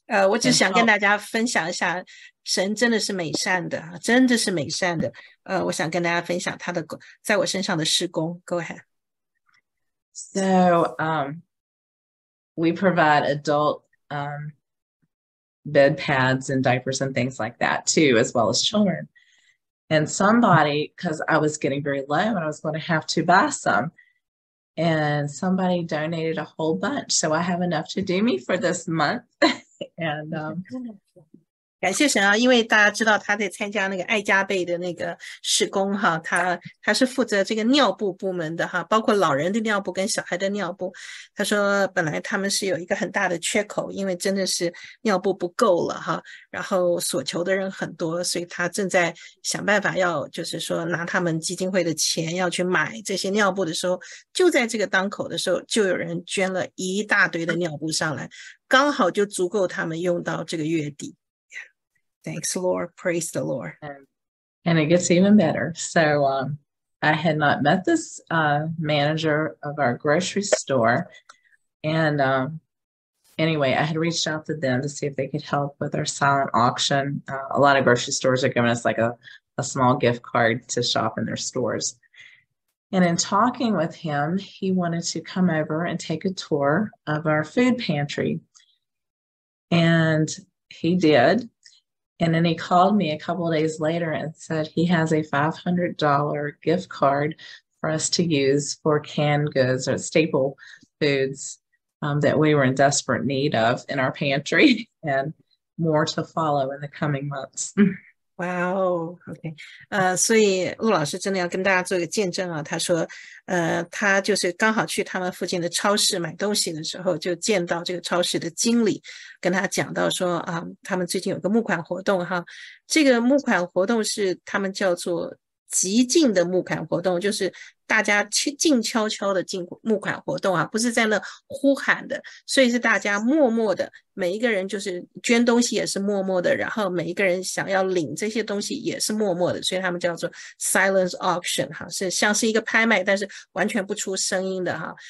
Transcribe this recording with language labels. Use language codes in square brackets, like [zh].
[zh] 我只想跟大家分享一下，神真的是美善的，真的是美善的。我想跟大家分享他的在我身上的事工。 [en] Go ahead. So, we provide adult, bed pads and diapers and things like that too, as well as children. And somebody, because I was getting very low and I was going to have to buy some, and somebody donated a whole bunch, so I have enough to do me for this month. And [zh] 感谢神啊，因为大家知道他在参加那个爱加贝的那个事工哈，他是负责这个尿布部门的哈，包括老人的尿布跟小孩的尿布。他说本来他们是有一个很大的缺口，因为真的是尿布不够了哈，然后索求的人很多，所以他正在想办法要就是说拿他们基金会的钱要去买这些尿布的时候，就在这个当口的时候，就有人捐了一大堆的尿布上来。刚好就足够他们用到这个月底。 [en] Thanks, Lord. Praise the Lord. And it gets even better. So, I had not met this, manager of our grocery store. And, anyway, I had reached out to them to see if they could help with our silent auction. A lot of grocery stores are giving us like a small gift card to shop in their stores. And in talking with him, he wanted to come over and take a tour of our food pantry. And he did. And then he called me a couple of days later and said he has a $500 gift card for us to use for canned goods or staple foods, that we were in desperate need of in our pantry, and more to follow in the coming months. Wow. Okay. [zh] 所以陆老师真的要跟大家做一个见证啊，他说他就是刚好去他们附近的超市买东西的时候，就见到这个超市的经理跟他讲到说啊，他们最近有个募款活动哈，这个募款活动是他们叫做极静的募款活动，就是大家静悄悄的进募款活动啊，不是在那呼喊的，所以是大家默默的，每一个人就是捐东西也是默默的，然后每一个人想要领这些东西也是默默的，所以他们叫做 silence auction 哈，是像是一个拍卖，但是完全不出声音的哈。